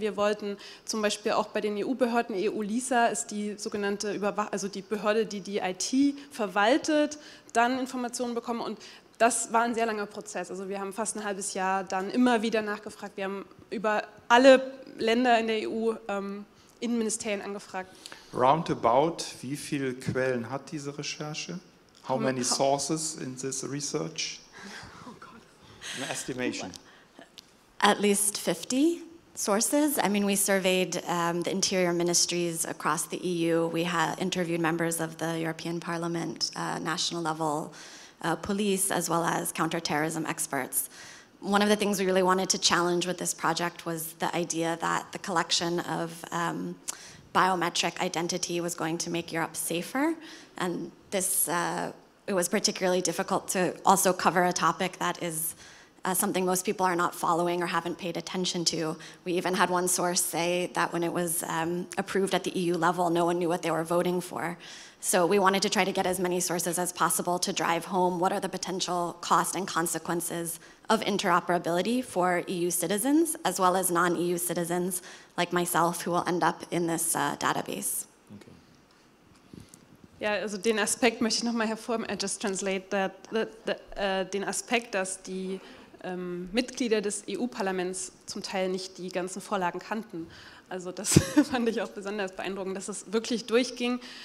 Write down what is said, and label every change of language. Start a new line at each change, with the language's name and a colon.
German: Wir wollten zum Beispiel auch bei den EU-Behörden, EU-LISA ist die sogenannte die Behörde, die die IT verwaltet, dann Informationen bekommen. Und das war ein sehr langer Prozess. Also wir haben fast ein halbes Jahr dann immer wieder nachgefragt. Wir haben über alle Länder in der EU Innenministerien angefragt. Roundabout, wie viele Quellen hat diese Recherche?
English: How many sources in this research? An estimation. At least 50 sources. I mean, we surveyed the interior ministries across the EU. We had interviewed members of the European Parliament, national level police, as well as counterterrorism experts. One of the things we really wanted to challenge with this project was the idea that the collection of biometric identity was going to make Europe safer. And this, it was particularly difficult to also cover a topic that is something most people are not following or haven't paid attention to. We even had one source say that when it was approved at the EU level, no one knew what they were voting for. So we wanted to try to get as many sources as possible to drive home what are the potential costs and consequences of interoperability for EU citizens, as well as non-EU citizens like myself, who will end up in this database.
German: Ja, also den Aspekt möchte ich nochmal hervorheben,
English: just translate that,
German: den Aspekt, dass die Mitglieder des EU-Parlaments zum Teil nicht die ganzen Vorlagen kannten. Also das fand ich auch besonders beeindruckend, dass es wirklich durchging.